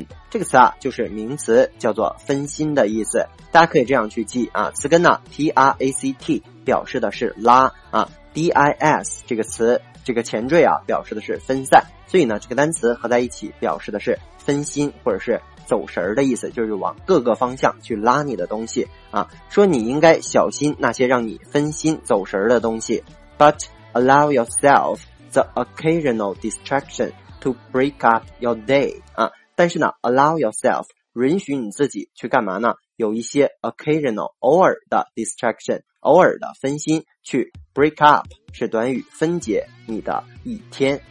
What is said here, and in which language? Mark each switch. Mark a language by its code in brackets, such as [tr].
[zh] 这个词啊就是名词，叫做分心的意思。大家可以这样去记啊，词根呢 ,T-R-A-C-T, 表示的是拉啊 ,D-I-S 这个词，这个前缀啊表示的是分散。所以呢这个单词合在一起表示的是分心或者是走神儿的意思，就是往各个方向去拉你的东西啊。说你应该小心那些让你分心走神儿的东西。 [en] But allow yourself the occasional distraction to break up your day. [zh] 啊，但是呢 allow yourself, 允许你自己去干嘛呢，有一些 occasional, 偶尔的 distraction, 偶尔的分心去 break up, 是短语分解你的一天。